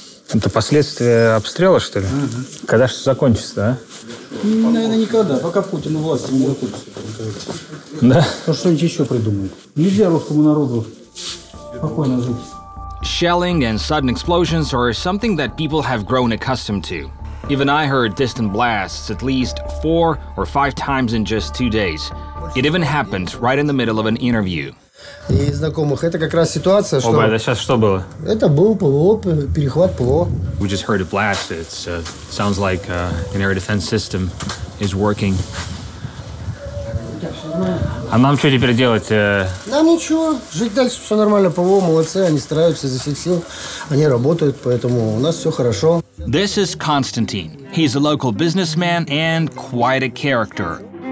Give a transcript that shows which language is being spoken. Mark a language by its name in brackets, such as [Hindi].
[Russian] Это последствия обстрела, что ли? Угу. Когда же закончится, а? Наверное, никогда. Пока Путин власти не закончится. Да? Что-нибудь еще придумают. Нельзя русскому народу спокойно жить. [English] Shelling and sudden explosions are something that people have grown accustomed to. Even I heard distant blasts at least 4 or 5 times in just 2 days. It even happened right in the middle of an interview. [Russian] И знакомых. Это как раз ситуация, что... Оба, это сейчас что было? Это был ПВО, перехват ПВО. [English] We just heard a blast. It sounds like an air defense system is working. [Russian] А нам что теперь делать? Нам ничего. Жить дальше все нормально. ПВО молодцы. Они стараются изо всех сил. Они работают, поэтому у нас все хорошо. [English] This is Konstantin. He's a local businessman and quite a character.